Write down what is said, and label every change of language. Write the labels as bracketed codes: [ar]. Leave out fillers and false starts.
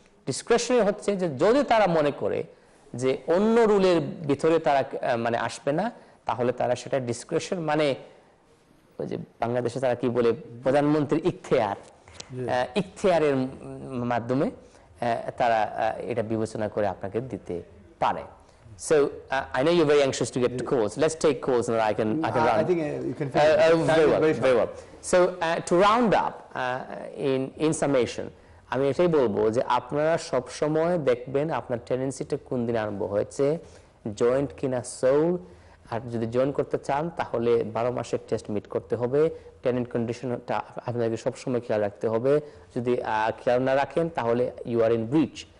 [bn] ডিসক্রেশনারি হচ্ছে যে যদি তারা মনে করে যে অন্য রুলের ভিতরে তারা মানে আসবে না, তাহলে তারা সেটা ডিসক্রেশন মানে ওই যে বাংলাদেশে তারা কি বলে প্রধানমন্ত্রীর ইখতিয়ার, ইখতিয়ারের মাধ্যমে তারা এটা বিবেচনা করে আপনাকে দিতে পারে। [en] So I know you're very anxious to get to calls. Let's take calls and I can run. I think you can very well, very well. Very well. So to round up in summation, [bn] আমি এটাই বলবো যে আপনারা সব সময় দেখবেন আপনার টেনেন্সিটা কোন দিন আরম্ভ হয়েছে, জয়েন্ট কিনা সোল, আর যদি জয়েন করতে চান তাহলে 12 মাসের টেস্ট মিট করতে হবে, টেনেন্ট কন্ডিশনটা আপনাকে সবসময় খেয়াল রাখতে হবে, যদি খেয়াল না রাখেন তাহলে [en] You are in breach.